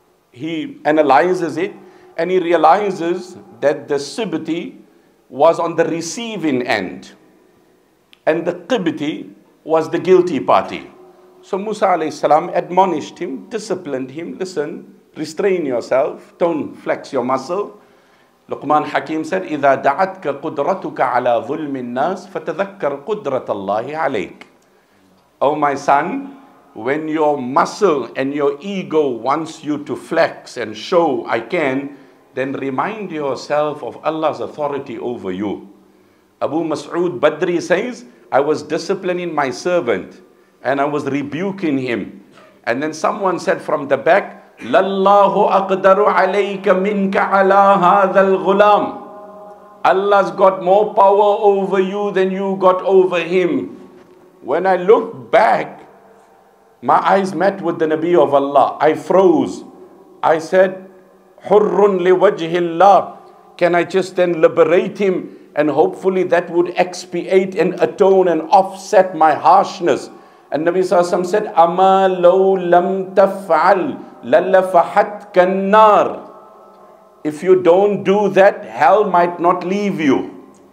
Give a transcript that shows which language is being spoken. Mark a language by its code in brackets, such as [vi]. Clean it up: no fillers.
[en] He analyzes it and he realizes that the Sibti was on the receiving end and the Qibti was the guilty party. So Musa alayhi salam admonished him, disciplined him. Listen, restrain yourself. Don't flex your muscle. [ar] Luqman Hakim said, إِذَا دَعَتْكَ قُدْرَتُكَ عَلَىٰ ظُلْمِ النَّاسِ فَتَذَكَّرْ قُدْرَةَ اللَّهِ عَلَيْكَ. [en] Oh my son, when your muscle and your ego wants you to flex and show I can, then remind yourself of Allah's authority over you. Abu Mas'ud Badri says, I was disciplining my servant. And I was rebuking him. And then someone said from the back, [ar] لَاللَّهُ أَقْدَرُ عَلَيْكَ مِنْكَ عَلَىٰ هَذَا الْغُلَامِ. [en] Allah's got more power over you than you got over him. When I looked back, my eyes met with the Nabi of Allah. I froze. I said, [ar] حُرٌّ لِوَجْهِ اللَّهِ. [en] Can I just then liberate him? And hopefully that would expiate and atone and offset my harshness. And Nabi Sallallahu Alaihi Wasallam said, [ar] أَمَا لَوْ لَمْ تَفْعَلْ لَلَّفَحَتْكَ النَّارِ. [en] If you don't do that, hell might not leave you.